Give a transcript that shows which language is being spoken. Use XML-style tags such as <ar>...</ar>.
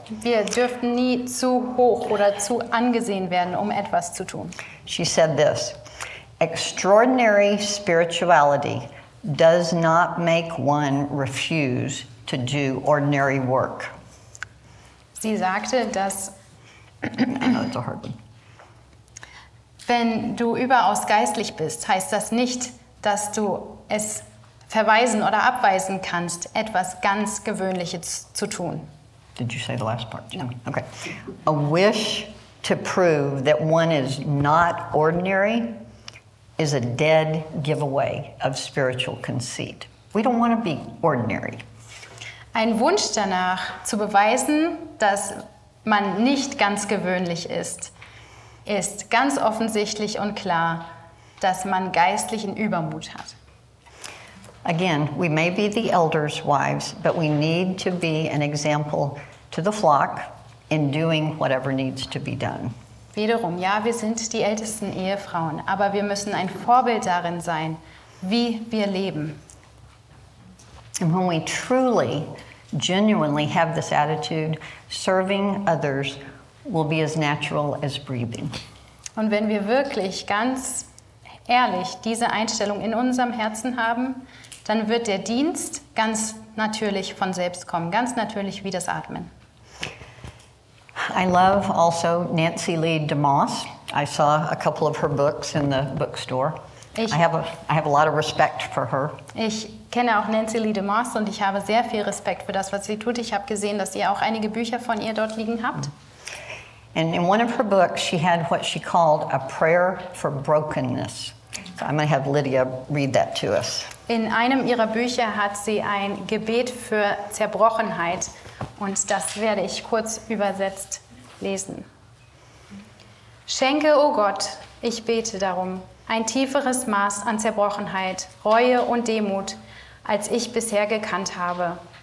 <de>Wir dürften nie zu hoch oder zu angesehen werden, um etwas zu tun.</de> <en>She said this, extraordinary spirituality does not make one refuse to do ordinary work.</en> <de>Sie sagte, dass</de> <en>it's a hard one.</en> <de>Wenn du überaus geistlich bist, heißt das nicht, dass du es verweisen oder abweisen kannst, etwas ganz Gewöhnliches zu tun.</de> <en>Did you say the last part? No. Okay. A wish to prove that one is not ordinary is a dead giveaway of spiritual conceit. We don't want to be ordinary.</en> <de>Ein Wunsch danach zu beweisen, dass man nicht ganz gewöhnlich ist, ist ganz offensichtlich und klar, dass man geistlichen Übermut hat.</de> <en>Again, we may be the elders' wives, but we need to be an example to the flock in doing whatever needs to be done.</en> <de>Wiederum, ja, wir sind die ältesten Ehefrauen, aber wir müssen ein Vorbild darin sein, wie wir leben.</de> <en>And when we truly, genuinely have this attitude, serving others will be as natural as breathing.</en> <de>Und wenn wir wirklich ganz ehrlich diese Einstellung in unserem Herzen haben, dann wird der Dienst ganz natürlich von selbst kommen, ganz natürlich wie das Atmen.</de> <en>I love also Nancy Lee DeMoss. I saw a couple of her books in the bookstore. I have a lot of respect for her.</en> <de>Ich kenne auch Nancy Lee DeMoss und ich habe sehr viel Respekt für das, was sie tut. Ich habe gesehen, dass ihr auch einige Bücher von ihr dort liegen habt.</de> <en>And in one of her books, she had what she called a prayer for brokenness. So I'm going to have Lydia read that to us.</en> <de>In einem ihrer Bücher hat sie ein Gebet für Zerbrochenheit und das werde ich kurz übersetzt lesen. Schenke, oh Gott, ich bete darum, ein tieferes Maß an Zerbrochenheit, Reue und Demut, als ich bisher gekannt habe.</de>